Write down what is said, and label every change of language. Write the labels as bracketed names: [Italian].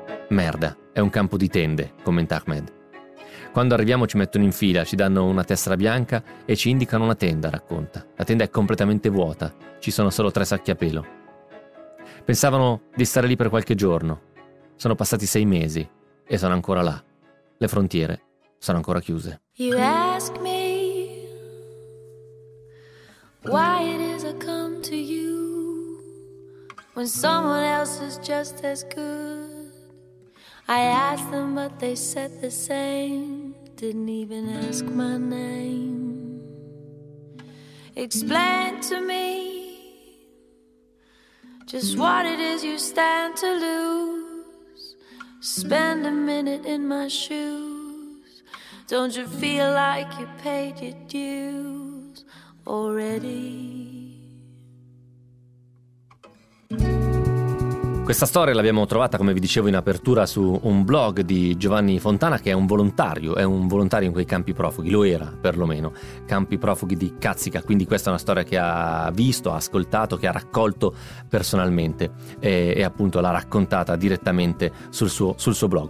[Italian] Merda, è un campo di tende, commenta Ahmed. Quando arriviamo ci mettono in fila, ci danno una tessera bianca e ci indicano una tenda, racconta. La tenda è completamente vuota, ci sono solo 3 sacchi a pelo. Pensavano di stare lì per qualche giorno. Sono passati 6 mesi e sono ancora là. Le frontiere sono ancora chiuse. [English] You ask me why it is I come to you when someone else is just as good. I asked them but they said the same, didn't even ask my name. Explain to me just what it is you stand to lose. Spend a minute in my shoes. Don't you feel like you paid your dues already? [Italian] Questa storia l'abbiamo trovata, come vi dicevo in apertura, su un blog di Giovanni Fontana, che è un volontario in quei campi profughi, lo era perlomeno, campi profughi di Katsika. Quindi questa è una storia che ha visto, ha ascoltato, che ha raccolto personalmente e appunto l'ha raccontata direttamente sul suo blog.